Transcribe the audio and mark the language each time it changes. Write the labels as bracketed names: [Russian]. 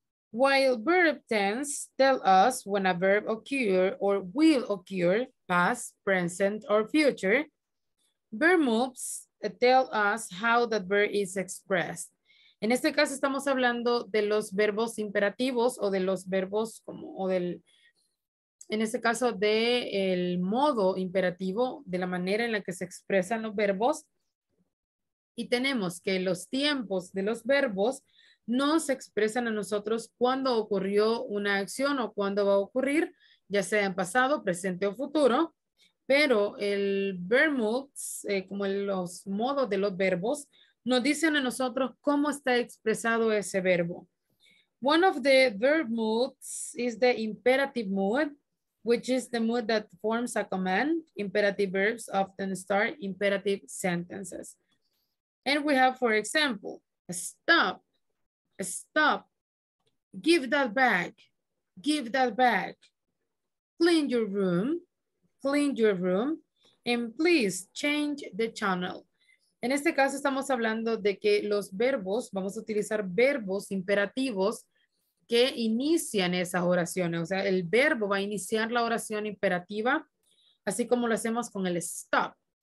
[English] While verb tense tell us when a verb occur or will occur, past, present, or future, verb moves tell us how that verb is expressed. [Spanish] En este caso estamos hablando de los verbos imperativos o de los verbos como, o del, en este caso de el modo imperativo, de la manera en la que se expresan los verbos. Y tenemos que los tiempos de los verbos no se expresan a nosotros cuando ocurrió una acción o cuando va a ocurrir, ya sea en pasado, presente o futuro. Pero el verb moods, como los modos de los verbos, nos dicen a nosotros cómo está expresado ese verbo. [English] One of the verb moods is the imperative mood, which is the mood that forms a command. Imperative verbs often start imperative sentences. And we have, for example, stop, stop, give that back, clean your room, clean your room, and please change the channel. [Spanish] En este caso estamos hablando de que los verbos, vamos a utilizar verbos imperativos que inician esas oraciones. O sea, el verbo va a iniciar la oración imperativa, así como lo hacemos con el stop.